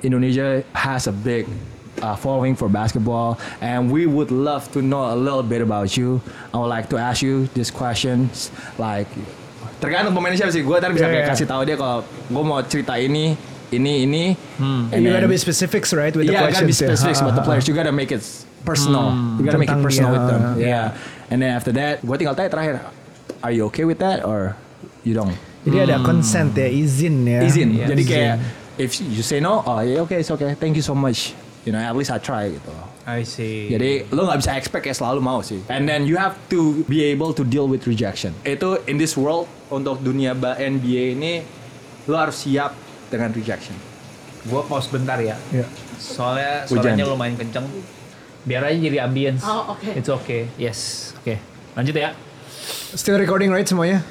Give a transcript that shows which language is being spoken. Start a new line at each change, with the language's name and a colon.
English: Indonesia has a big following for basketball, and we would love to know a little bit about you. I would like to ask you these questions.
Indonesian: Like, tergantung pemainnya siapa sih. Gue tadi bisa kasih tahu dia kalau gue mau cerita ini.
English: And you gotta be specifics, right? With the questions. Yeah, gotta be specifics about the players. You gotta make it personal. You gotta make it personal with them. Yeah. And then after that,
Indonesian: gue tinggal tanya terakhir,
English: are you okay with that or you don't?
Indonesian: Jadi ada consent ya, izin ya. Izin. Yes.
English: Jadi kayak if you say no, oh yeah, okay, it's okay. Thank you so much. You know, at least I try gitu. I see.
Indonesian: Jadi lo gak bisa expect kayak selalu mau sih.
English: And then you have to be able to deal with rejection.
Indonesian: Itu
English: in this world,
Indonesian: untuk dunia NBA ini, lo harus siap dengan rejection. Gua pause bentar ya. Yeah. Soalnya suaranya lumayan kenceng. Biar aja jadi ambience. Oh, okay.
English: It's okay. Yes. Okay.
Indonesian: Lanjut ya.
English: Still recording right semuanya?